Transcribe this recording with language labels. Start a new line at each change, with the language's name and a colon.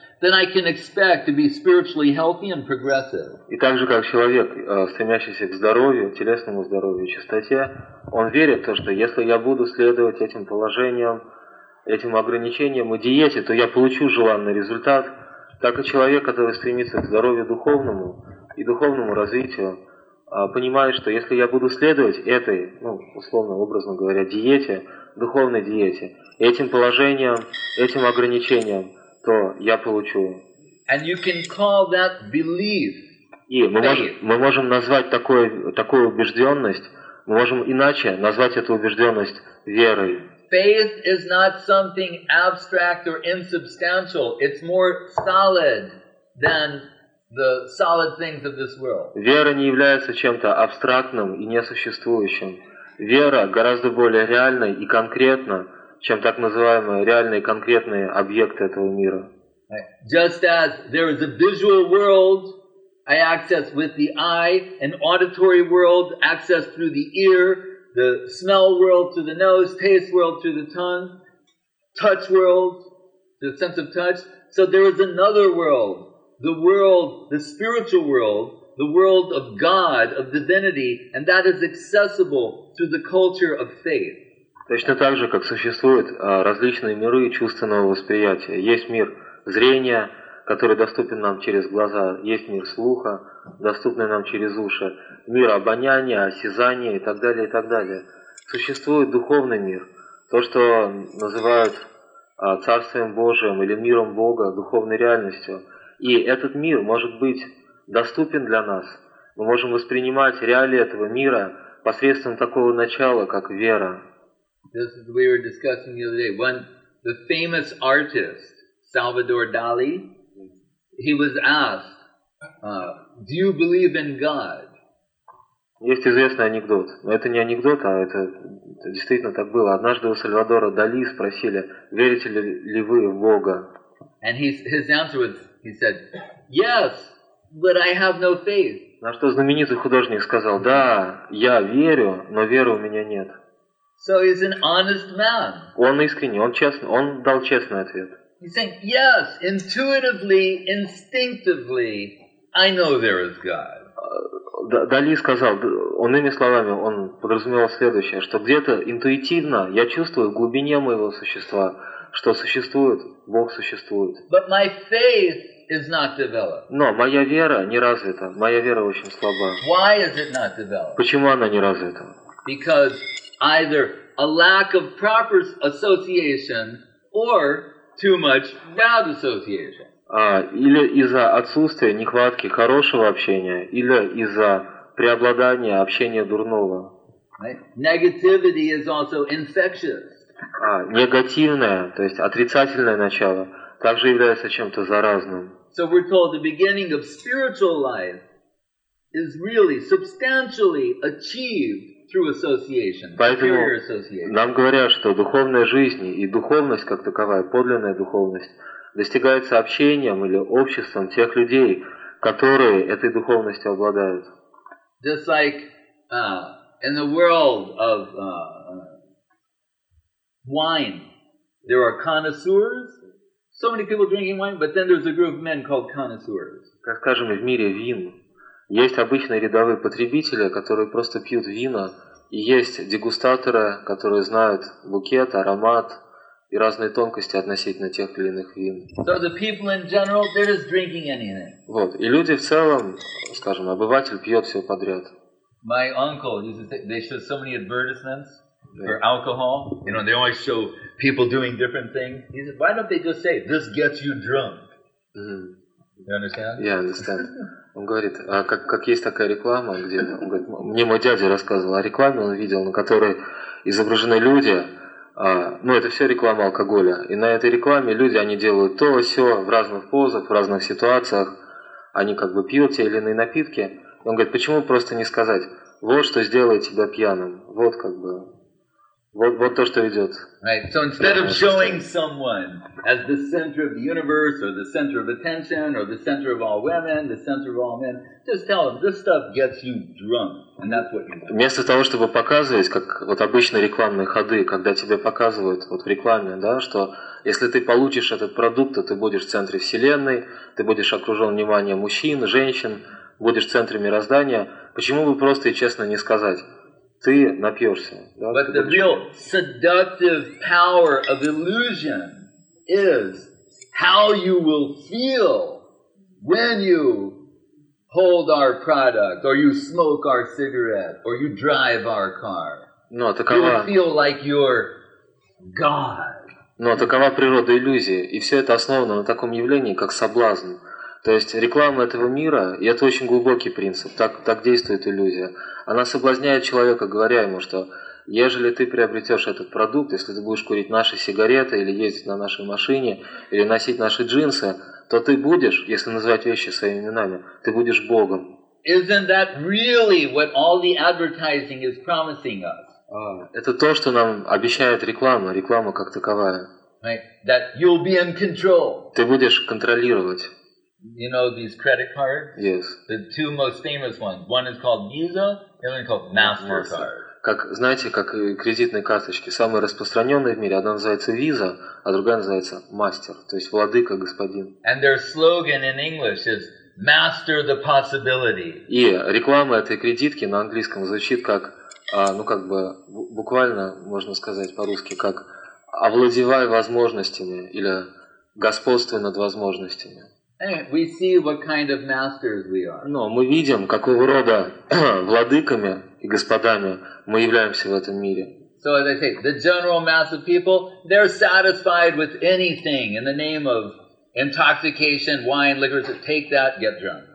English: then I can expect to be spiritually healthy and progressive.
Russian: И так же, как человек, стремящийся к здоровью, телесному здоровью, чистоте, он верит в то, что если я буду следовать этим положениям, этим ограничениям и диете, то я получу желанный результат. Так и человек, который стремится к здоровью духовному и духовному развитию, понимает, что если я буду следовать этой, ну, условно, образно говоря, диете, духовной диете, этим положениям, этим ограничениям, то я получу.
English: And you can call that belief.
Russian: И мы можем назвать такую убежденность, мы можем иначе назвать эту убежденность верой.
English: Faith is not something abstract or insubstantial. It's more solid than the solid things of this world.
Russian: Вера не является чем-то абстрактным и несуществующим. Вера гораздо более реальной и конкретна, чем так называемые реальные конкретные объекты этого мира.
English: Just as there is a visual world I access with the eye, an auditory world accessed through the ear, the smell world through the nose, taste world through the tongue, touch world, the sense of touch. So there is another world, the world, the spiritual world, the world of God, of divinity, and that is accessible through the culture of faith.
Russian: Точно так же, как существуют различные миры чувственного восприятия. Есть мир зрения, который доступен нам через глаза, есть мир слуха, доступный нам через уши, мир обоняния, осязания и так далее, и так далее. Существует духовный мир, то, что называют Царствием Божиим или миром Бога, духовной реальностью. И этот мир может быть доступен для нас. Мы можем воспринимать реалии этого мира посредством такого начала, как вера.
English: This is what we were discussing the other day. One, the famous artist, Salvador Dali, he was asked, do you believe in God?
Russian: Есть известный анекдот. Но это не анекдот, а это действительно так было. Однажды у Сальвадора Дали спросили, верите ли вы в Бога?
English: And his answer was, he said, yes, but I have no faith.
Russian: На что знаменитый художник сказал, да, я верю, но веры у меня нет.
English: So he's an honest man.
Russian: Он искренне, он честно, он дал честный ответ.
English: He's saying, yes, intuitively, instinctively, I know there is God.
Russian: Дали сказал, он иными словами, он подразумевал следующее, что где-то интуитивно я чувствую в глубине моего существа, что существует, Бог существует.
English: But my faith is not developed.
Russian: Но моя вера не развита, моя вера очень слаба.
English: Why is it not developed?
Russian: Почему она не развита?
English: Because either a lack of proper association or too much bad association.
Russian: Или из-за отсутствия, нехватки хорошего общения, или из-за преобладания общения дурного.
English: Right? Negativity is also infectious.
Russian: Негативное, то есть отрицательное начало, также является чем-то заразным.
English: So we're told the beginning of spiritual life is really substantially achieved through association,
Russian: поэтому нам говорят, что духовная жизнь и духовность как таковая, подлинная духовность, достигается общением или обществом тех людей, которые этой духовностью обладают.
English: Just like in the world of wine, there are connoisseurs. So many people drinking wine, but then there's a group of men called connoisseurs.
Russian: Как скажем, в мире вин есть обычные рядовые потребители, которые просто пьют вина. И есть дегустаторы, которые знают букет, аромат и разные тонкости относительно тех или иных вин.
English: So the people in general, they're just drinking anything.
Russian: Вот. И люди в целом, скажем, обыватель пьет все подряд.
English: My uncle, they show so many advertisements for alcohol. You know, they always show people doing different things. He said, why don't they just say, this gets you drunk? Mm-hmm. You understand? Yeah, I understand.
Russian: Он говорит, а как есть такая реклама, где, он говорит, мне мой дядя рассказывал о рекламе, он видел, на которой изображены люди, ну это все реклама алкоголя, и на этой рекламе люди, они делают то, сё, в разных позах, в разных ситуациях, они как бы пьют те или иные напитки, и он говорит, почему просто не сказать, вот что сделает тебя пьяным, вот как бы, Вот то, что идет.
English: Right. So instead of showing someone as the center of the universe, or the center of attention, or the center of all women, the center of all men, just tell them this stuff gets you drunk, and that's what you do.
Russian: Вместо того, чтобы показывать, как вот обычные рекламные ходы, когда тебе показывают вот в рекламе, да, что если ты получишь этот продукт, то ты будешь в центре вселенной, ты будешь окружен вниманием мужчин, женщин, будешь в центре мироздания. Почему бы просто и честно не сказать? Ты напьешься. Да,
English: but
Russian: ты
English: the real seductive power of illusion is how you will feel when you hold our product, or you smoke our cigarette, or you drive our car.
Russian: Но такова...
English: You will feel like you're God.
Russian: Но такова природа иллюзии. И все это основано на таком явлении, как соблазн. То есть реклама этого мира, и это очень глубокий принцип, так действует иллюзия. Она соблазняет человека, говоря ему, что ежели ты приобретешь этот продукт, если ты будешь курить наши сигареты, или ездить на нашей машине, или носить наши джинсы, то ты будешь, если назвать вещи своими именами, ты будешь Богом.
English: Isn't that really what all the advertising is promising us?
Russian: Это то, что нам обещает реклама как таковая.
English: Right? That you'll be in control.
Russian: Ты будешь контролировать.
English: You know these credit cards? Yes. The two most famous ones. One is called Visa, the other one is called MasterCard. Yes.
Russian: Как, знаете, как кредитные карточки, самые распространенные в мире, одна называется Visa, а другая называется Master, то есть владыка, господин.
English: And their slogan in English is Master the Possibility.
Russian: И реклама этой кредитки на английском звучит как, ну как бы, буквально можно сказать по-русски, как овладевай возможностями или господствуй над возможностями.
English: We see what kind of masters we are.
Russian: Но мы видим, какого рода владыками и господами мы являемся в этом мире.
English: So as I say, the general mass of people, they're satisfied with anything in the name of intoxication, wine, liquor, so take that, get drunk.